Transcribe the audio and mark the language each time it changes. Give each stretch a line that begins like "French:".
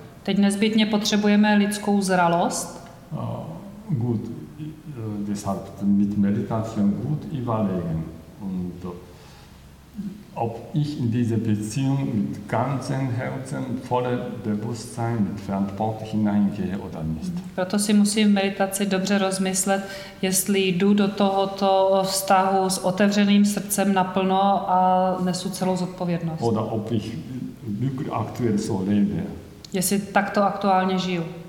Czech: Teď nezbytně potřebujeme lidskou zralost.
German: Gut, deshalb mit Meditation gut überlegen und ob ich in diese Beziehung mit ganzem Herzen, voller Bewusstsein, mit Verantwortung hineingehe oder nicht.
Czech: Proto si musím v meditaci dobře rozmyslet, jestli jdu do tohoto vztahu s otevřeným srdcem naplno a nesu celou zodpovědnost.
German: Oder ob ich wirklich aktuell so lebe.
Czech: Jestli takto aktuálně žiju.